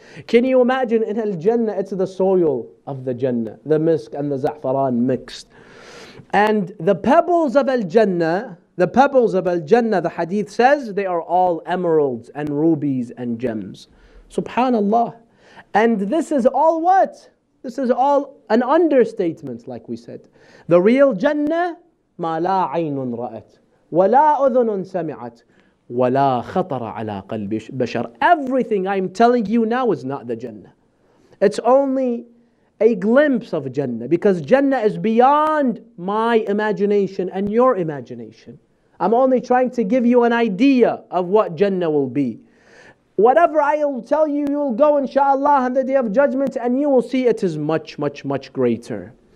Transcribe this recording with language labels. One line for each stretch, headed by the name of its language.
English: Can you imagine in Al-Jannah it's the soil of the Jannah, the misk and the za'faran mixed. And the pebbles of Al-Jannah, the pebbles of Al-Jannah, the hadith says, they are all emeralds and rubies and gems. Subhanallah. And this is all what? This is all an understatement, like we said. The real Jannah,
Arabic: ما لا عين رأت ولا أذن سمعت ولا خطر على قلب بشر.
English: Everything I'm telling you now is not the Jannah. It's only a glimpse of Jannah, because Jannah is beyond my imagination and your imagination. I'm only trying to give you an idea of what Jannah will be. Whatever I will tell you, you will go inshallah on the Day of Judgment and you will see it is much, much, much greater.